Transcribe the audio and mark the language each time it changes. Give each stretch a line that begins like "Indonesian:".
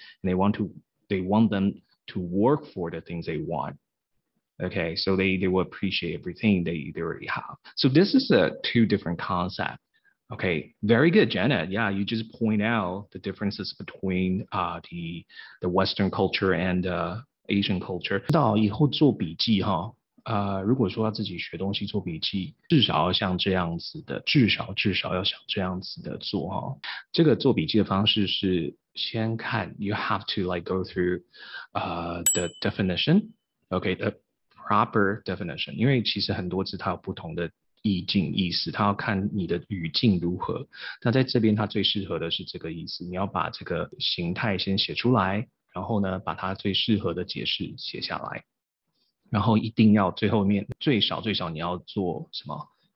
English: And they want them to work for the things they want. Okay, so they will appreciate everything they already have. So this is a two different concept. Okay, very good, Janet. Yeah, you just point out the differences between the Western culture and Asian culture.
Chinese: 到以后做笔记, 如果说要自己学东西做笔记, 至少要像这样子的, 至少要像这样子的做, 这个做笔记的方式是先看,
English: you have to like go through the definition. Okay, the proper definition.
Chinese: 因为其实很多字它有不同的意境意思, 它要看你的语境如何, 那在这边它最适合的是这个意思, 你要把这个形态先写出来, 然后呢, 把它最适合的解释写下来, 然后一定要最后面, 最少你要做什么?